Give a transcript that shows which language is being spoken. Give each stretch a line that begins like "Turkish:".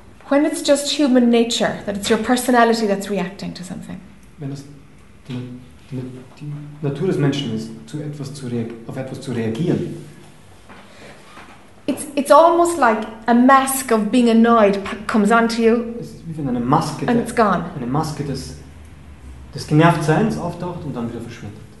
English: When it's just human nature, that it's your personality that's reacting to something.
German: Wenn es die Natur des Menschen ist, auf etwas zu reagieren.
English: It's almost like a mask of being annoyed comes onto you.
German: Es ist wie wenn eine Maske
English: and it's gone.
German: Eine Maske des Genervtseins auftaucht und dann wieder verschwindet.